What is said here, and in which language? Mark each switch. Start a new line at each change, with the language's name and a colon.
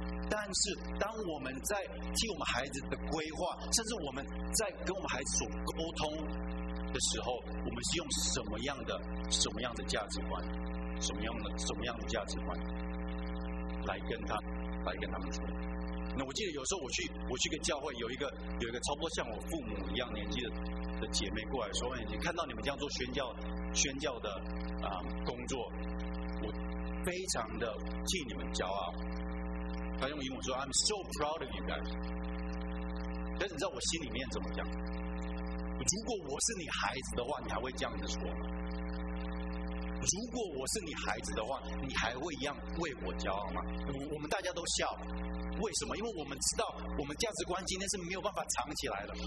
Chinese: 但是当我们在替我们孩子的规划，甚至我们在跟我们孩子所沟通的时候，我们是用什么样的价值观，什么样的价值观来跟他们说。那我记得有时候我去个教会，有一个差不多像我父母一样年纪的姐妹过来说，你看到你们这样做宣教的工作，我非常的替你们骄傲。他用英文说
English: ：“I'm so proud of you guys。”
Chinese: 但是你知道我心里面怎么讲？如果我是你孩子的话，你还会这样子说吗？如果我是你孩子的话，你还会一样为我骄傲吗？我们大家都笑，为什么？因为我们知道，我们价值观今天是没有办法藏起来的。